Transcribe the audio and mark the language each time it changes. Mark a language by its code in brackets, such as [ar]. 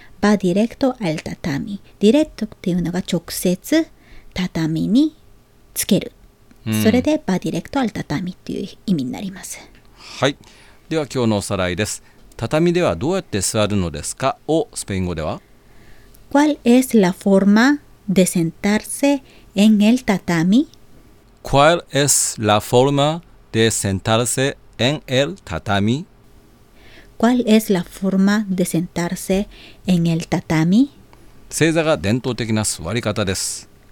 [ja] バディレクトアルタタミ、ディレクトっていうのが直接畳につける、うん、それでバディレクトアルタタミっていう意味になります。はい。では今日のおさらいです。畳ではどうやって座るのですかをスペイン語では [es] ¿Cuál es la forma de sentarse en el tatami? ¿Cuál es la forma de sentarse en el tatami? ¿Cuál es la forma de sentarse en el tatami? [ja] 正座が伝統的な座り方です。